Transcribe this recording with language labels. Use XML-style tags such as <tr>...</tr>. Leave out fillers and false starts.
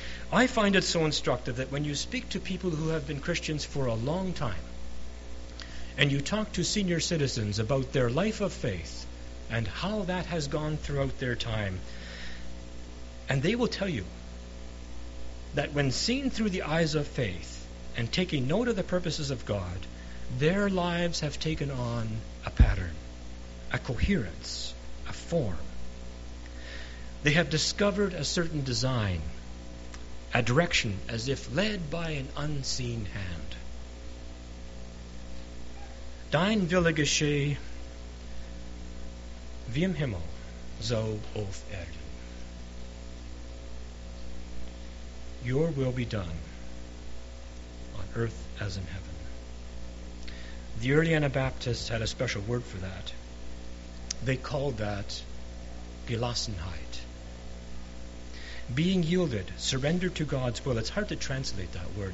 <en>I find it so instructive that when you speak to people who have been Christians for a long time, and you talk to senior citizens about their life of faith and how that has gone throughout their time, and they will tell you that when seen through the eyes of faith and taking note of the purposes of God, their lives have taken on a pattern, a coherence, a form. They have discovered a certain design, a direction, as if led by an unseen hand.</en> <de>Dein Wille geschehe, wie im Himmel, so auf Erden.</de> <en>Your will be done, on earth as in heaven. The early Anabaptists had a special word for that. They called that Gelassenheit. Being yielded, surrendered to God's will. It's hard to translate that word.</en>